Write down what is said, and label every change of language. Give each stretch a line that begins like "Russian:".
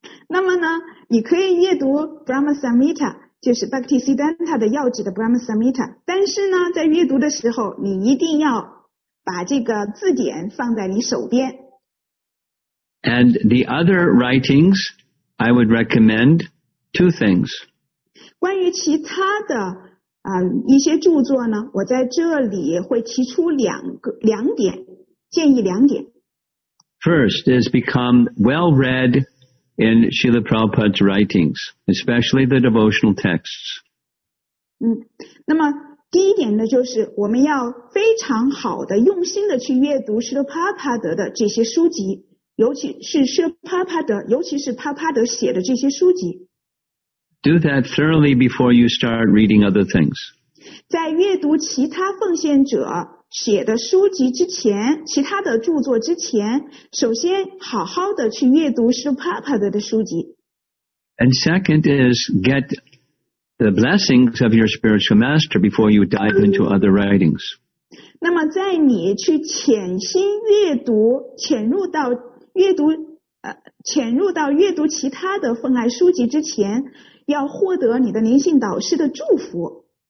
Chinese: 那么呢你可以阅读 Brahma Samhita，就是 Bhaktisiddhanta 的药指的 Brahma Samhita， 但是呢在阅读的时候你一定要把这个字典放在你手边。
English: And the other writings I would recommend two things.
Chinese: 关于其他的一些著作呢，我在这里会提出两点建议，两点。
English: First is become well readIn Śrīla Prabhupāda's writings, especially the devotional texts.
Chinese: 那么第一点呢就是我们要非常好的用心的去阅读 Śrīla Prabhupāda 的这些书籍，尤其是 Śrīla Prabhupāda， 尤其是 Prabhupāda 写的这些书籍。
English: Do that thoroughly before you start reading other things.
Chinese: 在阅读其他奉献者写的书籍之前，其他的著作之前，首先好好的去阅读 Śrīla Prabhupāda 的书籍。
English: And second is get the blessings of your spiritual master before you dive into other writings.
Chinese: 那么在你去潜心阅读，潜入到阅读其他的奉爱书籍之前，要获得你的灵性导师的祝福。